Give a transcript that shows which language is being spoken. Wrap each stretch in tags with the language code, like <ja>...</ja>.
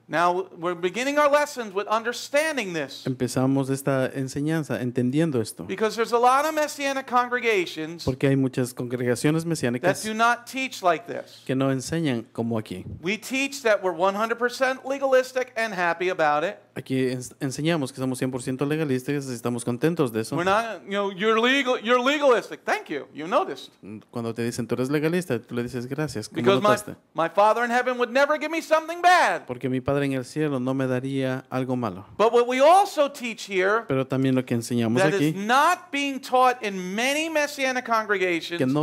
<en>Now we're beginning our lessons with understanding this.</en> <es>Empezamos esta enseñanza entendiendo esto.</es> <en>Because there's a lot of messianic congregations.</en> <es>Porque hay muchas congregaciones mesiánicas</es> <en>that do not teach like this.</en> <es>Que no enseñan como aquí.</es> <en>We teach that we're 100% legalistic and happy about it.</en> <es>Aquí enseñamos que somos 100% legalistas y estamos contentos de eso.</es> <en>We're not, you know, you're legalistic. Thank you. You noticed.</en> <es>Cuando te dicen tú eres legalista, tú le dices gracias.</es> <en>Because my Father in heaven would never give me something bad.</en> <es>Porque mi Padre en el cielo no me daría algo malo.</es> <en>But what we also teach here,</en> <es>pero también lo que enseñamos</es> <en>that</en> <es>aquí,</es> <en>is not being taught in many messianic congregations,</en>